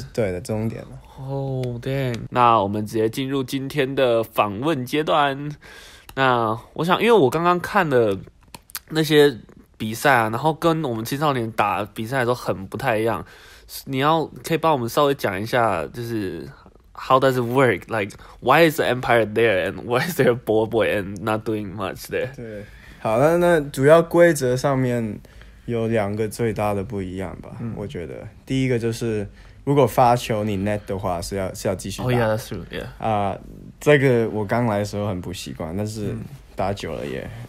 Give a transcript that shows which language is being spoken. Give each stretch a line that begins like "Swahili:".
Chinese: 对的，终点。
English: Oh dang！
Chinese: 那我们直接进入今天的访问阶段。那我想，因为我刚刚看了那些比赛啊，然后跟我们青少年打比赛的时候很不太一样。你要可以帮我们稍微讲一下，就是
English: how does it work? Like why is the umpire there and why is there a ball boy and not doing much there?
Chinese: 对，好，那主要规则上面有两个最大的不一样吧。我觉得第一个就是如果发球你 net 的话是要继续打。
English: Oh yeah, that's true. Yeah.
Chinese: 这个我刚来的时候很不习惯，但是打久了也。